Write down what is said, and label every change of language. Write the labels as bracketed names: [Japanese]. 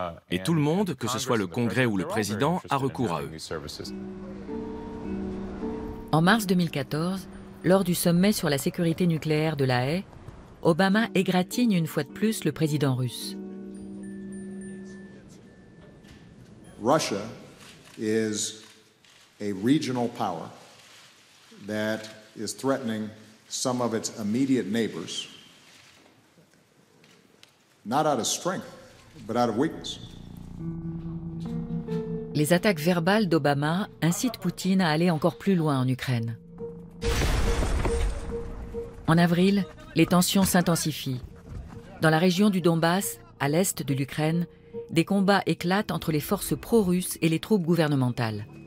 [French] Et tout le monde, que ce soit le Congrès ou le président, a recours à eux. En mars 2014, lors du sommet sur la sécurité nucléaire de La Haye, Obama égratigne une fois de plus le président russe. [English] Russia is a regional power that is threatening some of its immediate neighbors, not out of strength, but out of weakness. [French] Les attaques verbales d'Obama incitent Poutine à aller encore plus loin en Ukraine. En avril, les tensions s'intensifient. Dans la région du Donbass, à l'est de l'Ukraine, des combats éclatent entre les forces pro-russes et les troupes gouvernementales.